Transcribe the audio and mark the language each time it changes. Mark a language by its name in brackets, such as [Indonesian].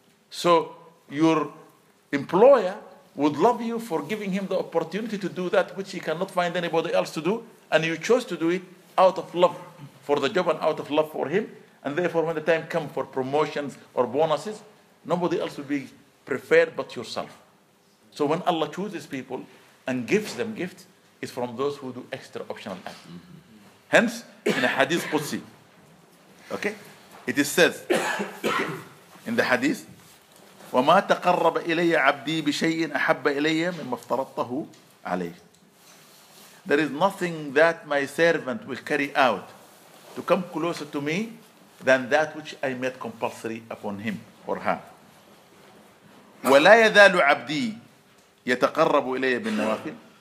[English] So your employer would love you for giving him the opportunity to do that which he cannot find anybody else to do, and you chose to do it out of love for the job and out of love for him, and therefore when the time comes for promotions or bonuses, nobody else will be preferred but yourself. So when Allah chooses people and gives them gifts, it's from those who do extra optional acts. Mm-hmm. Hence, in a hadith Qudsi, okay, it is says, okay, in the hadith, [Arabic] وما تقرب إلي عبدي بشيء أحب إلي مما افترضته عليه. [English] There is nothing that my servant will carry out to come closer to me than that which I made compulsory upon him or her. [Arabic] ولا يزال عبدي يتقرب إلي بالنوافل.